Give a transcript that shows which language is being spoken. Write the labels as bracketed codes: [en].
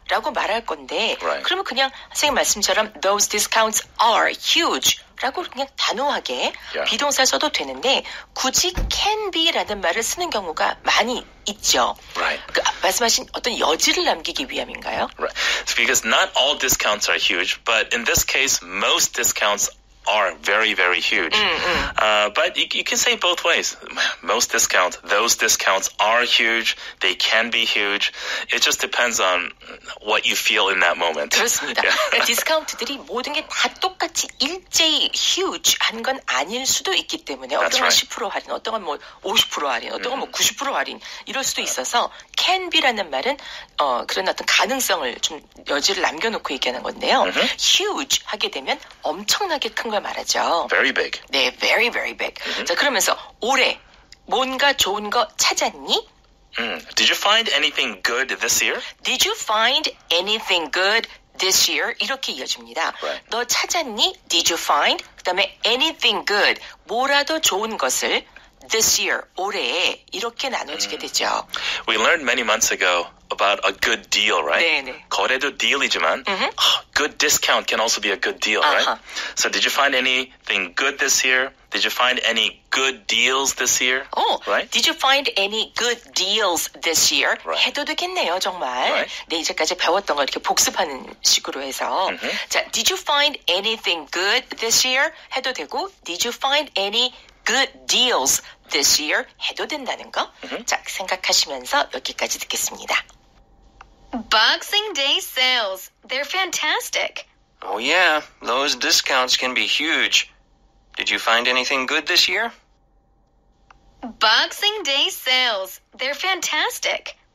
[ko] 라고 말할 건데 [en] right. [ko] 그러면 그냥 선생님 말씀처럼 [en] those discounts are huge [ko] 라고 그냥 단호하게 [en] yeah. [ko] 비동사 써도 되는데 굳이 can be라는 말을 쓰는 경우가 많이 있죠. [en] Right. [ko] 그 말씀하신 어떤 여지를 남기기 위함인가요? [en] Right. Because not all discounts are huge, but in this case most discounts are very, very huge. But you can say both ways. Most discounts, those discounts are huge. They can be huge. It just depends on what you feel in that moment. [ko] 그렇습니다. [en] Yeah. [ko] 그러니까 디스카운트들이 모든 게 다 똑같이 일제히 huge 한 건 아닐 수도 있기 때문에 [en] That's [ko] 어떤 건 [en] right. [ko] 10% 할인, 어떤 건 뭐 50% 할인, 어떤 건 뭐 90% 할인 이럴 수도 있어서 can be라는 말은 그런 어떤 가능성을 좀 여지를 남겨놓고 얘기하는 건데요. Huge 하게 되면 엄청나게 걸 말하죠. [en] Very big. [ko] 네, [en] very, very big. Mm-hmm. [ko] 자, 그러면서 올해 뭔가 좋은 거 찾았니? [en] Did you find anything good this year? Did you find anything good this year? [ko] 이렇게 이어집니다. [en] Right. [ko] 너 찾았니? [en] Did you find? [ko] 그 다음에 anything good, 뭐라도 좋은 것을 this year, 올해에 이렇게 나눠지게 되죠. [en] We learned many months ago about a good deal, right? [ko] 네, 네. 거래도 [en] deal이지만 good discount can also be a good deal, uh-huh. right? So did you find anything good this year? Did you find any good deals this year? Oh, right? Did you find any good deals this year? Right. [ko] 해도 되겠네요, 정말. [en] Right. [ko] 네, 이제까지 배웠던 걸 이렇게 복습하는 식으로 해서. [en] Mm-hmm. 자, did you find anything good this year? [ko] 해도 되고, [en] did you find any good deals this year? [ko] 해도 된다는 거? [en] Mm-hmm. [ko] 자, 생각하시면서 여기까지 듣겠습니다. [en] Boxing Day sales. They're fantastic. Oh, yeah. Those discounts can be huge. Did you find anything good this year? Boxing Day sales. They're fantastic.